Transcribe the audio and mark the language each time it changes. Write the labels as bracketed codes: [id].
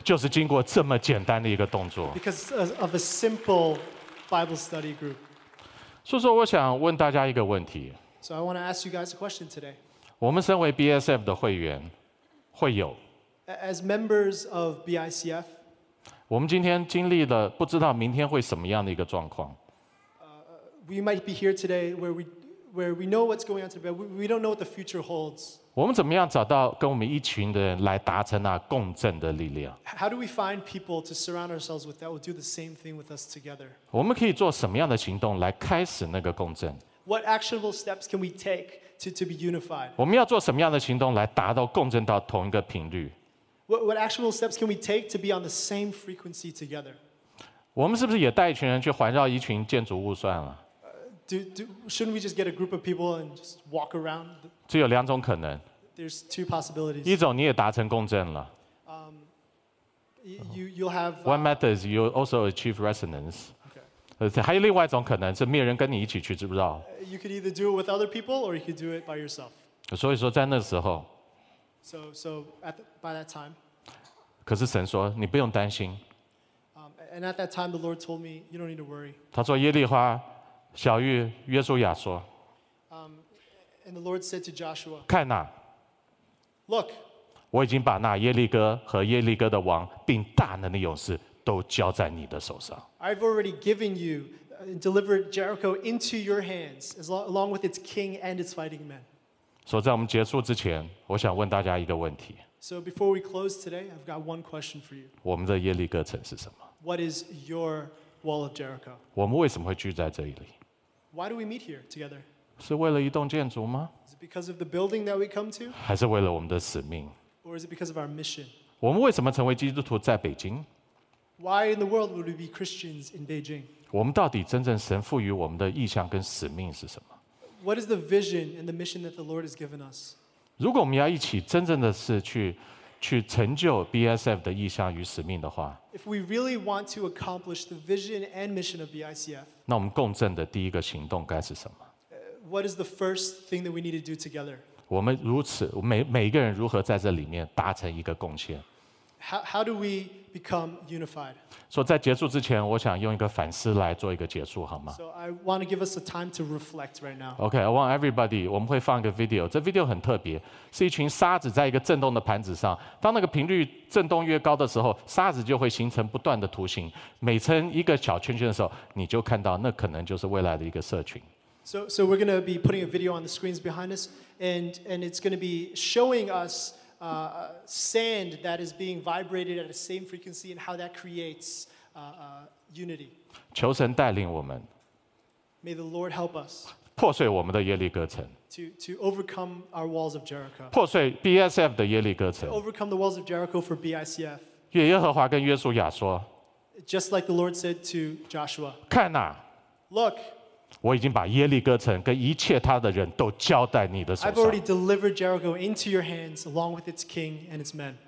[zh] 就是经过这么简单的一个动作。 [en] Because of a simple Bible study group. [zh] 所以说我想问大家一个问题。 [en] So I want to ask you guys a question today. [zh] 我们身为 BSF 的会员会有。 [en] As members of BICF, [zh] 我们今天经历了不知道明天会什么样的一个状况。 [en] We might be here today where we know what's going on today, but we don't know what the future holds. [zh] 我们怎么样找到跟我们一群的人来达成那共振的力量？ [en] How do we find people to surround ourselves with that will do the same thing with us together? [zh] 我们可以做什么样的行动来开始那个共振？ [en] What actionable steps can we take to be unified? [zh] 我们要做什么样的行动来达到共振到同一个频率？ [en] What actionable steps can we take to be on the same frequency together? [zh] 我们是不是也带一群人去环绕一群建筑物算了？ [en] Shouldn't we just get a group of people and just walk around? [zh] 只有两种可能。 [en] There's two possibilities. [zh] 一种你也达成共振了。 [en] You'll have. One method is you also achieve resonance. Okay. [zh] 还有另外一种可能是没有人跟你一起去，知不知道 [en] ？You could either do it with other people or you could do it by yourself. [zh] 所以说在那时候。 [en] So at by that time. [zh] 可是神说你不用担心。 [en] And at that time, the Lord told me you don't need to worry. [zh] 他说耶利花。小玉约书亚说 [en] and the Lord said to Joshua, [zh] 看哪 [en] Look, [zh] 我已经把那耶利哥和耶利哥的王并大能的勇士都交在你的手上 [en] I've already given you and delivered Jericho into your hands along with its king and its fighting men. [zh] 所以在我们结束之前我想问大家一个问题 [en] So before we close today, I've got one question for you. [zh] 我们的耶利哥城是什么 [en] What is your Wall of Jericho. [zh] 我们为什么会聚在这里 [en] Why do we meet here together? [zh] 是为了一栋建筑吗 [en] Is it because of the building that we come to? [zh] 还是为了我们的使命 [en] Or is it because of our mission? [zh] 我们为什么成为基督徒在北京 [en] Why in the world would we be Christians in Beijing? [zh] 我们到底真正神赋予我们的意向跟使命是什么 [en] What is the vision and the mission that the Lord has given us? [zh] 如果我们要一起真正的是去成就 BSF 的意向与使命的话 [en] If we really want to accomplish the vision and mission of BICF [zh] 那我们共振的第一个行动该是什么 [en] What is the first thing that we need to do together? [zh] 我们如此 每一个人如何在这里面达成一个贡献 [en] How do we become unified? [zh] 所以在结束之前我想用一个反思来做一个结束好吗 [en] So I want to give us a time to reflect right now. Okay, I want everybody, [zh] 我们会放一个 video, 这 video 很特别是一群沙子在一个震动的盘子上当那个频率震动越高的时候沙子就会形成不断的图形每成一个小圈圈的时候你就看到那可能就是未来的一个社群。 [en] So we're going to be putting a video on the screens behind us and it's going to be showing us sand that is being vibrated at the same frequency and how that creates unity. [zh] 求神带领我们 [en] May the Lord help us [zh] 破碎我们的耶利哥城 [en] to overcome our walls of Jericho [zh] 破碎 BSF 的耶利哥城 [en] to overcome the walls of Jericho for BICF [zh] 耶和华跟约书亚说 [en] just like the Lord said to Joshua [zh] 看哪 [en] look [zh] 我已经把耶利哥城跟一切他的人都交在你的手上 [en] I've already delivered Jericho into your hands along with its king and its men